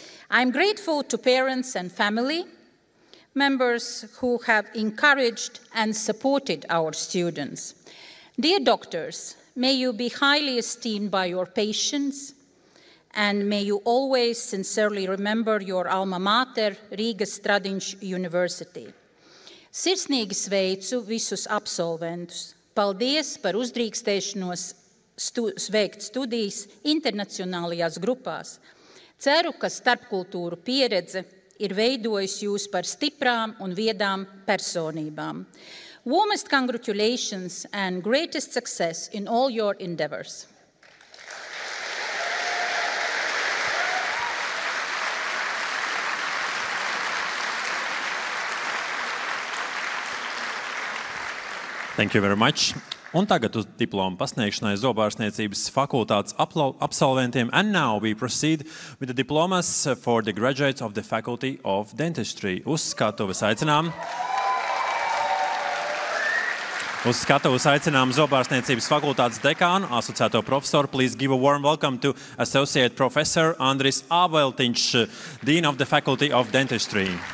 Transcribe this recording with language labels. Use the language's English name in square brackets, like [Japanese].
[English] I'm grateful to parents and family members who have encouraged and supported our students. Dear doctors, may you be highly esteemed by your patients, and may you always sincerely remember your alma mater, Rīgas Stradiņš University. [Latvian] Sirsnīgi sveicu visus absolventus. Paldies par uzdrīkstēšanos sveikt studijas internacionālajās grupās. Ceru, ka starpkultūru pieredze ir veidojusi jūs par stiprām un viedām personībām. [English] Warmest congratulations and greatest success in all your endeavors. Thank you very much. [Latvian] Un tagad uz diplomu pasniegšanai zobārstniecības fakultātes absolventiem. [English] And now we proceed with the diplomas for the graduates of the Faculty of Dentistry. [Latvian] Uz skatuves aicinām. Uz skatuves aicinām zobārstniecības fakultātes dekānu, asociēto profesoru. [English] Please give a warm welcome to Associate Professor Andris Abeltiņš, Dean of the Faculty of Dentistry.